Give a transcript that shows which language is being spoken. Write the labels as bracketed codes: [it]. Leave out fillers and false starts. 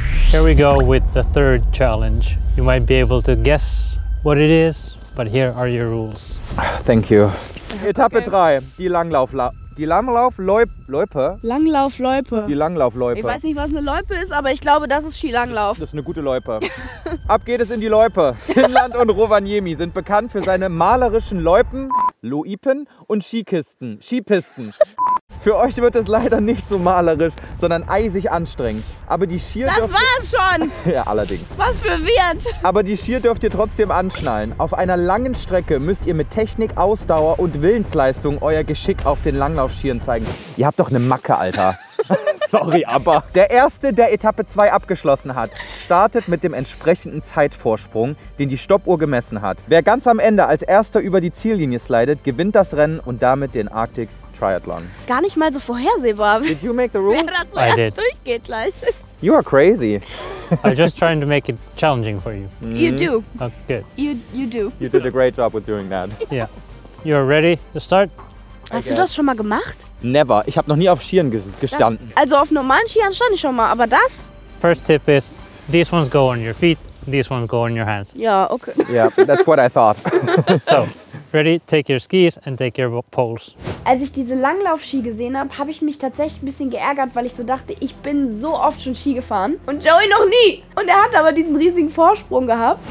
[en] Here we go with the third challenge. You might be able to guess what it is, but here are your rules. Thank you. [de] Etappe 3, die Langlaufloipe. Ich weiß nicht, was eine Loipe ist, aber ich glaube, das ist Skilanglauf. Das ist eine gute Loipe. Ab geht es in die Loipe. Finnland und Rovaniemi sind bekannt für seine malerischen Loipen, Loipen und Skipisten. Für euch wird es leider nicht so malerisch, sondern eisig anstrengend. Aber die Skier dürft ihr... Das war's schon! Ja, allerdings. Was für Wirt! Aber die Skier dürft ihr trotzdem anschnallen. Auf einer langen Strecke müsst ihr mit Technik, Ausdauer und Willensleistung euer Geschick auf den Langlaufskiern zeigen. Ihr habt doch eine Macke, Alter. Sorry, aber... Der Erste, der Etappe 2 abgeschlossen hat, startet mit dem entsprechenden Zeitvorsprung, den die Stoppuhr gemessen hat. Wer ganz am Ende als Erster über die Ziellinie slidet, gewinnt das Rennen und damit den Arctic Triathlon. Gar nicht mal so vorhersehbar. [en] Did you make the rules? [de] Wer da zuerst durchgeht gleich. [en] You are crazy. I'm just trying to make it challenging for you. Mm-hmm. You do. Okay, good. You do. You did a great job with doing that. Yeah. You are ready to start? [de] Hast du das schon mal gemacht? [en] Never. [de] Ich habe noch nie auf Skiern gestanden. Das, also auf normalen Skiern stand ich schon mal, aber das? [en] First tip is, these ones go on your feet, these ones go on your hands. [de] Ja, okay. [en] Yeah, that's what I thought. So, ready, take your skis and take your poles. [de] Als ich diese Langlaufski gesehen habe, habe ich mich tatsächlich ein bisschen geärgert, weil ich so dachte, ich bin so oft schon Ski gefahren und Joey noch nie. Und er hat aber diesen riesigen Vorsprung gehabt.